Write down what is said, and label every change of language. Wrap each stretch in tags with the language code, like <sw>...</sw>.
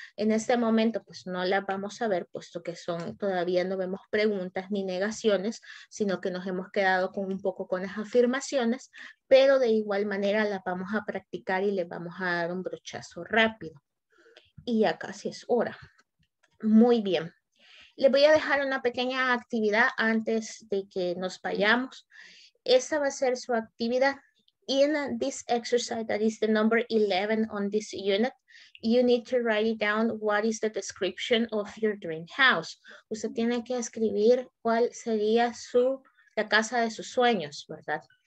<es>En este momento pues no las vamos a ver puesto que son, todavía no vemos preguntas ni negaciones, sino que nos hemos quedado con un poco con las afirmaciones, pero de igual manera las vamos a practicar y les vamos a dar un brochazo rápido. Y ya casi es hora. Muy bien. les voy a dejar una pequeña actividad antes de que nos vayamos. Esa va a ser su actividad.</es> <en>In this exercise, that is the number 11 on this unit, you need to write down what is the description of your dream house.</en> <es>Usted tiene que escribir cuál sería su, la casa de sus sueños, ¿verdad?</es>